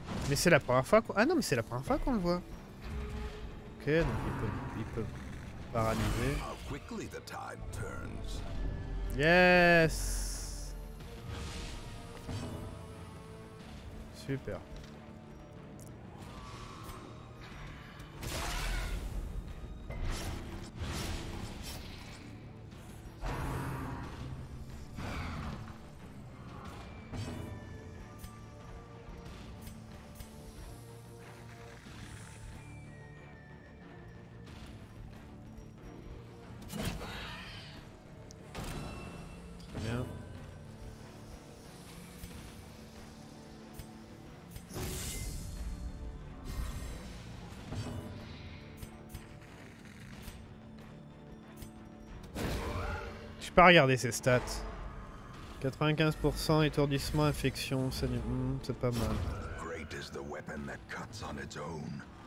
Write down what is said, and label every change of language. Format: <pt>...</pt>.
<fr>Mais c'est la première fois qu'on... Ah non, mais c'est la première fois qu'on le voit. Ok, donc il peut paralyser.</fr> <en>How quickly the tide turns. Yes.</en> <fr>Super. Pas regarder ses stats. 95% étourdissement, infection, c'est pas mal.</fr> <en>Great is the weapon that cuts on its own.</en>